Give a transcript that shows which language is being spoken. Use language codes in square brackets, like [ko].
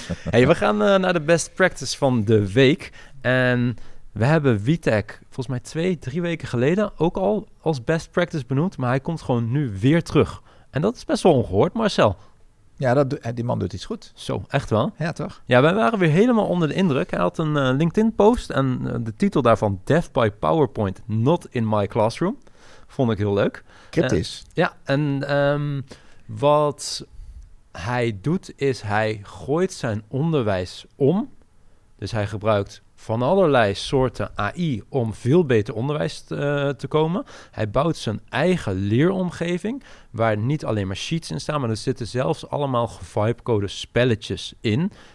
[nl] Hey, we gaan naar de best practice van de week. En we hebben WeTech volgens mij 2-3 weken geleden ook al als best practice benoemd. Maar hij komt gewoon nu weer terug. En dat is best wel ongehoord, Marcel. Ja, die man doet iets goed. Zo, echt wel? Ja, toch? Ja, wij waren weer helemaal onder de indruk. Hij had een LinkedIn-post en de titel daarvan... [en] Death by PowerPoint, not in my classroom. [nl] Vond ik heel leuk. Cryptisch. Ja, en... wat hij doet is hij gooit zijn onderwijs om. Dus hij gebruikt van allerlei soorten AI om veel beter onderwijs te komen. Hij bouwt zijn eigen leeromgeving waar niet alleen maar sheets in staan, maar er zitten zelfs allemaal vibecode spelletjes in.